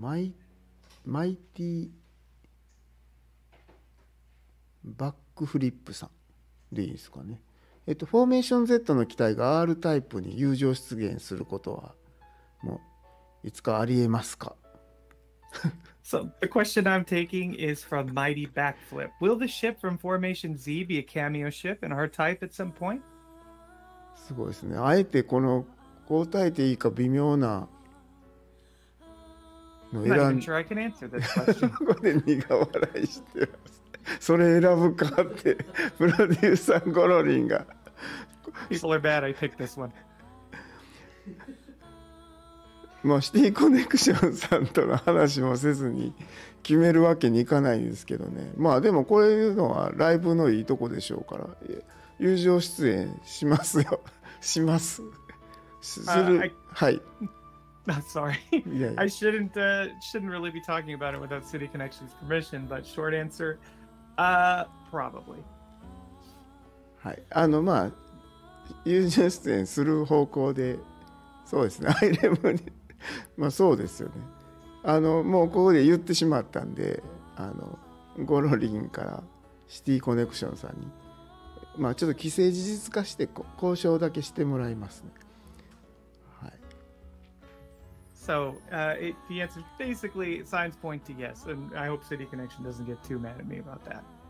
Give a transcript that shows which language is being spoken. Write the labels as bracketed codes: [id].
[ja] マイティバックフリップさんでいいですかね。フォーメーション Z の機体が R タイプに友情出現することは、もういつかありえますか? [en] So the question I'm taking is from Mighty Backflip. Will the ship from Formation Z be a cameo ship in R type at some point? [ja] すごいですね。あえてこの答えていいか微妙なの選ん、sure、ここで苦笑いしてます。それ選ぶかってプロデューサーゴロリンが。 [en] People are bad. I picked this one. [ja] まあシティコネクションさんとの話もせずに決めるわけにいかないんですけどね。まあでもこういうのはライブのいいとこでしょうから、友情出演しますよ。します。する。はい。 [en] Sorry. Yeah. I shouldn't really be talking about it without City Connection's permission, but short answer, probably. [ja] はい。まあ、友情出演する方向で、そうですね。アイレムに。まあ、そうですよね。もうここで言ってしまったんで、ゴロリンからシティコネクションさんに。まあ、ちょっと既成事実化して交渉だけしてもらいますね。はい。 [en] So, the answer basically signs point to yes, and I hope City Connection doesn't get too mad at me about that.